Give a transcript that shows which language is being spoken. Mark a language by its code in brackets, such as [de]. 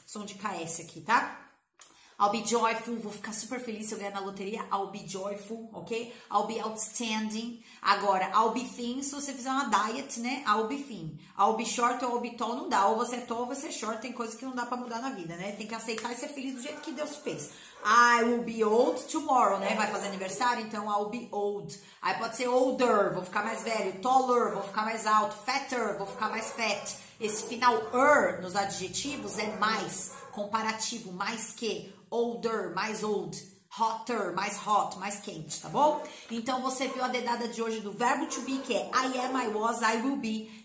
[pt] Som de KS aqui, tá? [en] I'll be joyful. [pt] Vou ficar super feliz se eu ganhar na loteria. [en] I'll be joyful. Ok? I'll be outstanding. [pt] Agora, [en] I'll be thin. [pt] Se você fizer uma diet, né? [en] I'll be thin. I'll be short ou I'll be tall. [pt] Não dá. Ou você é tall ou você é short. Tem coisa que não dá pra mudar na vida, né? Tem que aceitar e ser feliz do jeito que Deus fez. [en] I will be old tomorrow, né? [pt] Vai fazer aniversário? Então, [en] I'll be old. [pt] Aí pode ser older. Vou ficar mais velho. Taller. Vou ficar mais alto. Fatter. Vou ficar mais fat. Esse final er nos adjetivos é mais. Comparativo. Mais que. Older, mais old, hotter, mais hot, mais quente, tá bom? Então você viu a dedada de hoje do verbo to be, que é [en] I am, I was, I will be.